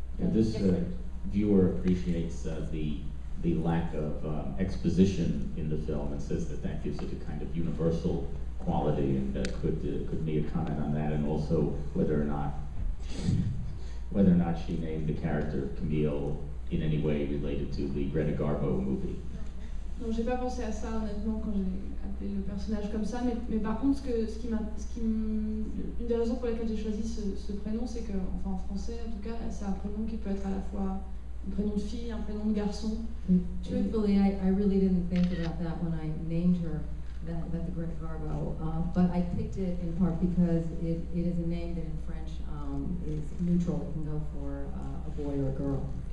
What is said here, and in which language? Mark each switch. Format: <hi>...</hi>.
<en>Yeah, this viewer appreciates the lack of exposition in the film and says that gives it a kind of universal quality. And could Mia comment on that? And also whether or not she named the character Camille in any way related to the Greta Garbo movie.</en> <fr>Donc j'ai pas pensé à ça honnêtement quand j'ai appelé le personnage comme ça, mais par contre une des raisons pour lesquelles j'ai choisi ce prénom, c'est que, enfin en français en tout cas, c'est un prénom qui peut être à la fois un prénom de fille, un prénom de garçon.</fr> <en>Truthfully, I really didn't think about that when I named her that the Greta Garbo, but I picked it in part because it is a name that in French is neutral, it can go for a boy or a girl.</en>